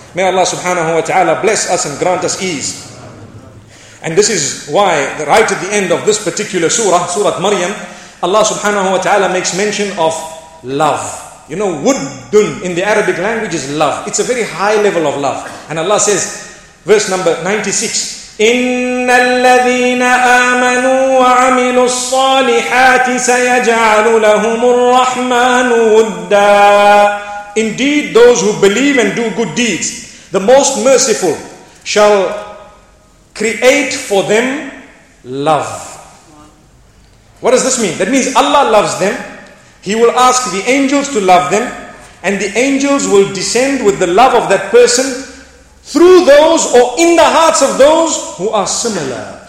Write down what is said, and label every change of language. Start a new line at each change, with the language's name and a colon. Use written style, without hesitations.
English: May Allah subhanahu wa ta'ala bless us and grant us ease. And this is why, right at the end of this particular surah, Surah Maryam, Allah subhanahu wa ta'ala makes mention of love. You know, wuddun in the Arabic language is love. It's a very high level of love. And Allah says, verse number 96,
Arabic: إِنَّ الَّذِينَ آمَنُوا وَعَمِلُوا الصَّالِحَاتِ سَيَجْعَلُ لَهُمُ الرَّحْمَنُ وُدَّا.
English: Indeed, those who believe and do good deeds, the Most Merciful shall create for them love. What does this mean? That means Allah loves them. He will ask the angels to love them, and the angels will descend with the love of that person through those or in the hearts of those who are similar.